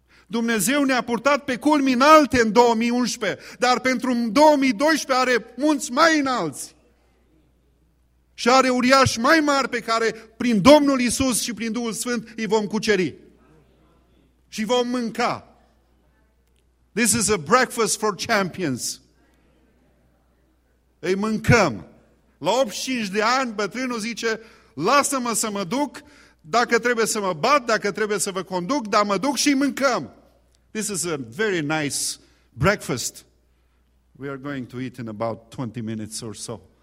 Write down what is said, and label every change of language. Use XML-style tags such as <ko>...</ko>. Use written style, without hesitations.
<ro>Dumnezeu ne-a purtat pe culmi înalte în 2011, dar pentru 2012 are munți mai înalți. Și are uriași mai mari pe care prin Domnul Iisus și prin Duhul Sfânt îi vom cuceri. Și vom mânca.</ro> <en>This is a breakfast for champions.</en> <ro>Îi mâncăm. La 85 de ani, bătrânul zice, lasă-mă să mă duc, dacă trebuie să mă bat, dacă trebuie să vă conduc, dar mă duc și mâncăm.</ro> <en>This is a very nice breakfast. We are going to eat in about 20 minutes or so.</en>